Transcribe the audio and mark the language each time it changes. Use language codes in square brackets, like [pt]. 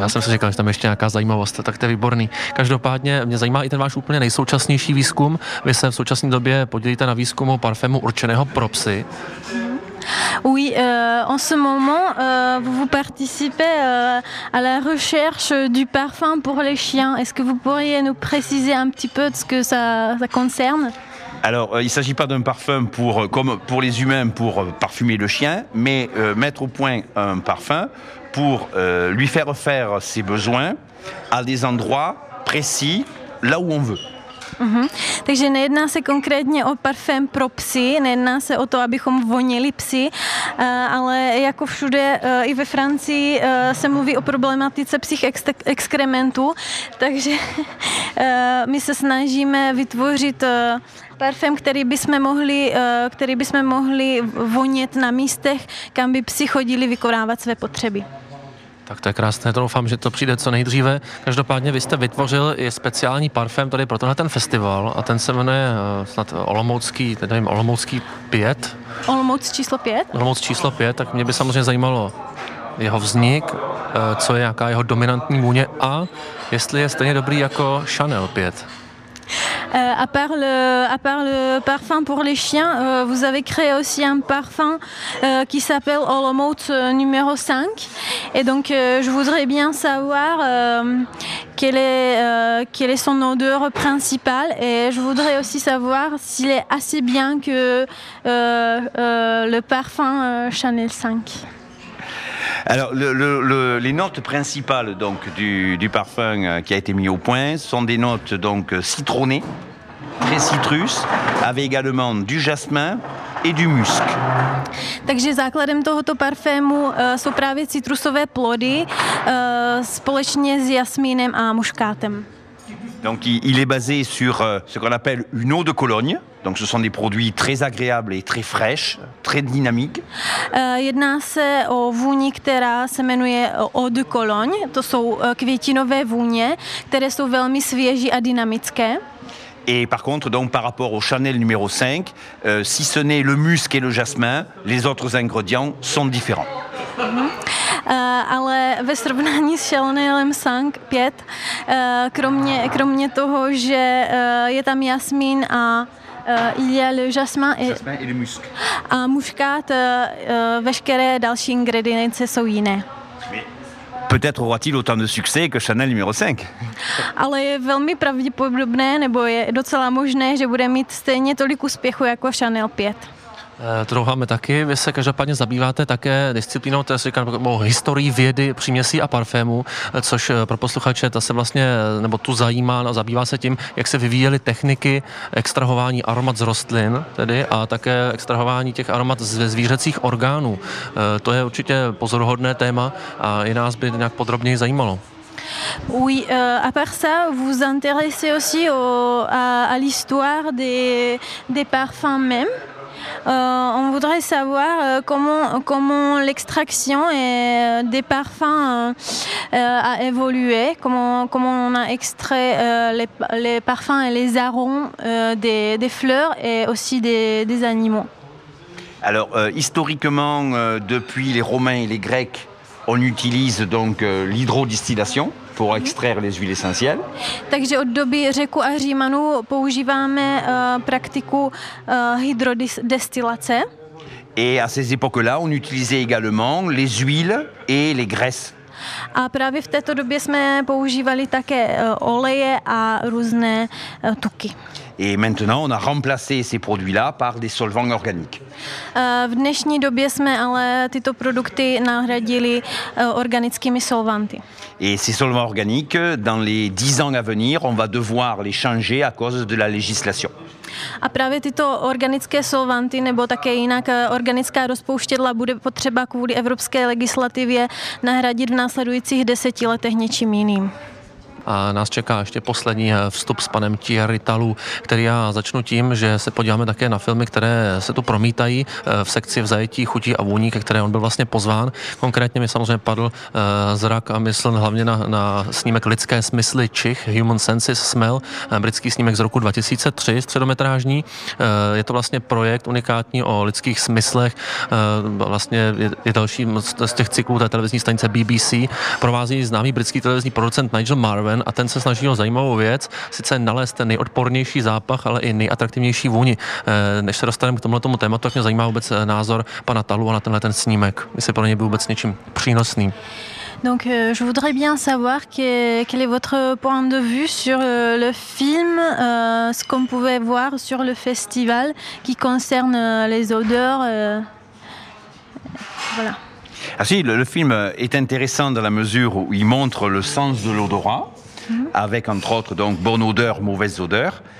[cs] Já jsem si říkal, že tam ještě nějaká zajímavost, tak to je výborný. Každopádně mě zajímá i ten váš úplně nejsoučasnější výzkum. Vy se v současné době podílíte na výzkumu parfému určeného pro psy. [fr] Oui, en ce moment, vous participez à la recherche du parfum pour les chiens. Est-ce que vous pourriez nous préciser un petit peu de ce que ça concerne? Alors, il ne s'agit pas d'un parfum comme pour les humains pour parfumer le chien, mais mettre au point un parfum pour lui faire faire ses besoins à des endroits précis, là où on veut. Mm-hmm. [cs] Takže nejedná se konkrétně o parfém pro psy, nejedná se o to, abychom vonili psy, ale jako všude i ve Francii se mluví o problematice psích exkrementů, takže my se snažíme vytvořit parfém, který bychom mohli vonět na místech, kam by psi chodili vykonávat své potřeby. Tak to je krásné, doufám, že to přijde co nejdříve. Každopádně vy jste vytvořil i speciální parfém tady pro tenhle ten festival a ten se jmenuje snad Olomoucký 5. Olomouc číslo 5? Olomouc číslo 5, tak mě by samozřejmě zajímalo jeho vznik, co je nějaká jeho dominantní vůně a jestli je stejně dobrý jako Chanel 5. [fr] À part le parfum pour les chiens, vous avez créé aussi un parfum qui s'appelle Olomouc numéro 5. Et donc, je voudrais bien savoir quelle est son odeur principale. Et je voudrais aussi savoir s'il est assez bien que le parfum Chanel 5. Alors, les notes principales donc du parfum qui a été mis au point sont des notes donc citronnées, très citrus, avec également du jasmin, i du musk. [cs] Takže základem tohoto parfému jsou právě citrusové plody společně s jasmínem a muškátem. [fr] Donc il est basé sur ce qu'on appelle une eau de Cologne. Donc ce sont des produits très agréables et très fraîches, très dynamiques. [cs] Jedná se o vůni, která se jmenuje Eau de Cologne. To jsou květinové vůně, které jsou velmi svěží a dynamické. [fr] Et par contre, donc par rapport au Chanel numéro 5, si ce n'est le musc et le jasmin, les autres ingrédients sont différents. [cs] Ale ve srovnání s Chanelem 5, kromě toho, že je tam jasmín a je [fr] le jasmin et le musc. [cs] A muškát, veškeré další ingredience jsou jiné. [fr] Peut-être aura-t-il autant de succès que Chanel numéro 5. [cs] Ale je velmi pravděpodobné, nebo je docela možné, že bude mít stejně tolik úspěchu jako Chanel 5. Trouháme taky. Vy se každopádně zabýváte také disciplínou, to je o historii vědy, příměsí a parfému, což pro posluchače ta se vlastně, nebo tu zajímá, no, zabývá se tím, jak se vyvíjely techniky extrahování aromat z rostlin, tedy, a také extrahování těch aromat ze zvířecích orgánů. To je určitě pozoruhodné téma a i nás by nějak podrobněji zajímalo. [fr] Oui, à part ça, vous intéressez aussi à l'histoire des parfums même? On voudrait savoir comment l'extraction des parfums a évolué, comment on a extrait les parfums et les arômes des fleurs et aussi des animaux. Alors, historiquement, depuis les Romains et les Grecs, on utilise donc l'hydrodistillation pour extraire les huiles essentielles. [cs] Takže od doby Řeku a Římanů používáme praktiku hydrodestillace. [fr] Et à ces époques-là, on utilisait également les huiles et les graisses. [cs] A právě v této době jsme používali také oleje a různé tuky. [fr] Et maintenant, on a remplacé ces produits-là par des solvants organiques. [cs] V dnešní době jsme ale tyto produkty nahradili organickými solvanty. [fr] Et ces solvants organiques, dans les 10 ans à venir, on va devoir les changer à cause de la législation. [cs] A právě tyto organické solvanty, nebo také jinak organická rozpouštědla, bude potřeba kvůli evropské legislativě nahradit v následujících 10 letech něčím jiným. A nás čeká ještě poslední vstup s panem Thierry Talou, který já začnu tím, že se podíváme také na filmy, které se tu promítají v sekci V zajetí chutí a vůní, ke které on byl vlastně pozván. Konkrétně mi samozřejmě padl zrak a mysl hlavně na snímek Lidské smysly čich, Human Senses Smell, britský snímek z roku 2003, středometrážní. Je to vlastně projekt unikátní o lidských smyslech. Vlastně je další z těch cyklů té televizní stanice BBC. Provází známý britský televizní producent Nigel Marr a ten se snaží o zajímavou věc, sice nalézt ten nejodpornější zápach, ale i nejatraktivnější vůni. Než se dostaneme k tomuto tématu, tak mě zajímá vůbec názor pana Talu a na tenhle ten snímek. Jestli pro ně byl vůbec něčím přínosný. [fr] Donc je voudrais bien savoir quel est votre point de vue sur le film, ce qu'on pouvait voir sur le festival qui concerne les odeurs. Voilà. Ah si, le film est intéressant dans la mesure où il montre le sens de l'odorat, avec entre autres donc bonne odeur, mauvaise odeur.